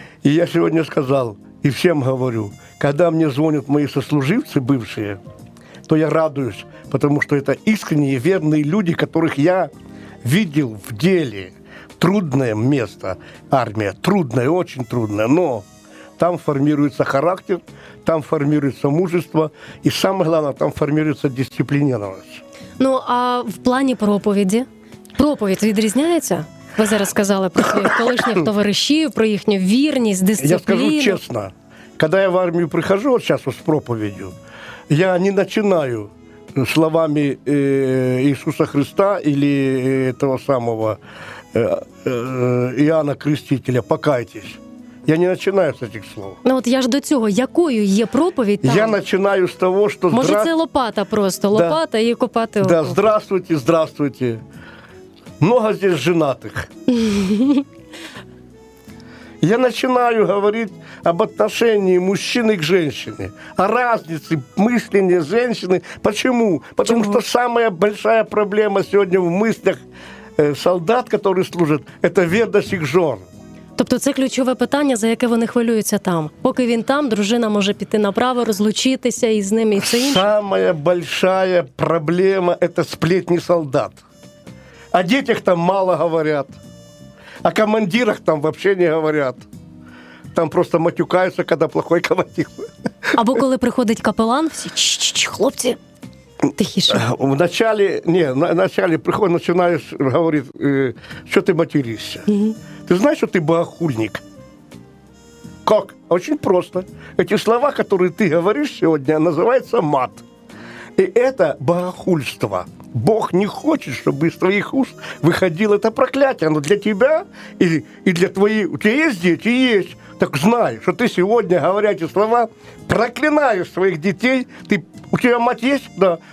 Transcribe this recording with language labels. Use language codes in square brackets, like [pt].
[ru] И я сегодня сказал, и всем говорю, когда мне звонят мои сослуживцы бывшие, то я радуюсь, потому что это искренние, верные люди, которых я видел в деле. Трудное место, армия, трудное, очень трудное, но там формируется характер, там формируется мужество, и самое главное, там формируется дисциплинированность. Ну, а в плане проповеди? [uk] Проповедь відрізняється? Ви зараз сказали про своїх колишніх товаришів, про їхню вірність, дисципліну. Я скажу чесно, [ru] когда я в армию прихожу, от сейчас с проповедью, я не начинаю словами Иисуса Христа или этого самого Иоанна Крестителя, покайтесь. Я не начинаю с этих слов. [uk] Ну вот я ж до цього, якою є проповідь там? [ru] Я начинаю с того, что... [uk] Може, це лопата просто, лопата да. І копати [ru] окупи. Да, здравствуйте, здравствуйте. Много здесь женатых. Я начинаю говорить об отношении мужчины к женщине, о разнице мышления женщины. Почему? Потому что самая большая проблема сегодня в мыслях солдат, который служит, это ведость их жен. [uk] Тобто це ключове питання, за яке вони хвилюються там. Поки він там, дружина може піти направо, розлучитися із ним і все інше. [ru] Самая большая проблема – это сплетни солдат. О детях там мало говорят. О командирах там вообще не говорят. Там просто матюкаются, когда плохой командир. [uk] Або коли приходить капелан, всі, хлопці. тихіше. В началі, починаєш говорити, що ти матерішся. Ти знаєш, що ти богохульник? [ru] Как? Очень просто. Эти слова, которые ты говоришь сегодня, называются мат. И это богохульство. Бог не хочет, чтобы из твоих уст выходило это проклятие. Но для тебя и для твоих... У тебя есть дети? Есть. Так знай, что ты сегодня, говоря эти слова, проклинаешь своих детей. Ты... У тебя мать есть? Да.